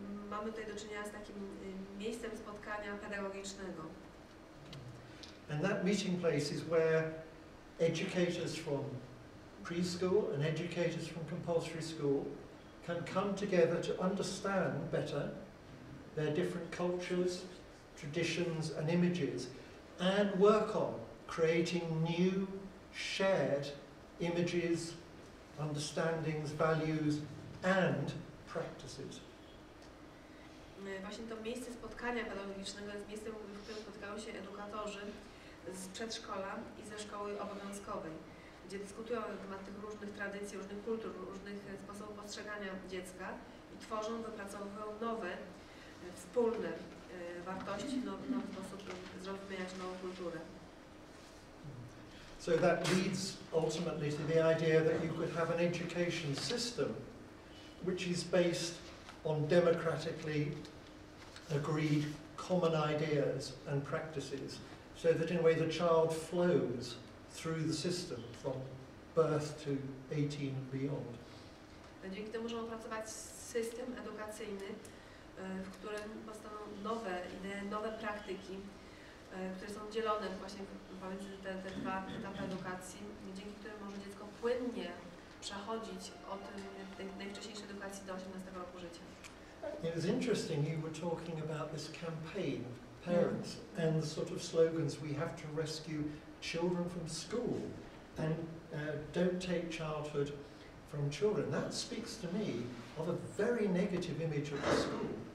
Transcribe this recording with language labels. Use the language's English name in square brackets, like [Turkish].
[Polish] Mamy tutaj do czynienia z takim miejscem spotkania pedagogicznego. [English] And that meeting place is where educators from preschool and educators from compulsory school can come together to understand better their different cultures, traditions and images and work on creating new shared images, understandings, values and practices. [Polish] Właśnie to miejsce spotkania pedagogicznego jest miejscem, w którym spotykają się edukatorzy z przedszkola i ze szkoły obowiązkowej, gdzie dyskutują na temat tych różnych tradycji, różnych kultur, różnych sposobów postrzegania dziecka i tworzą, wypracowują nowe, wspólne wartości, nowy sposób zrozumienia, nową kulturę. [English] So that leads ultimately to the idea that you could have an education system which is based on democratically agreed common ideas and practices, so that in a way the child flows through the system from birth to 18 and beyond. [Polish] Dzięki temu możemy opracować system edukacyjny, w którym powstaną nowe idee, nowe praktyki, które są dzielone właśnie pomiędzy te dwa etapy edukacji, dzięki którym może dziecko płynnie przechodzić od tej najwcześniejszej edukacji do 18 roku życia. [English] It was interesting you were talking about this campaign of parents and the sort of slogans, we have to rescue children from school and don't take childhood from children. That speaks to me of a very negative image of the school.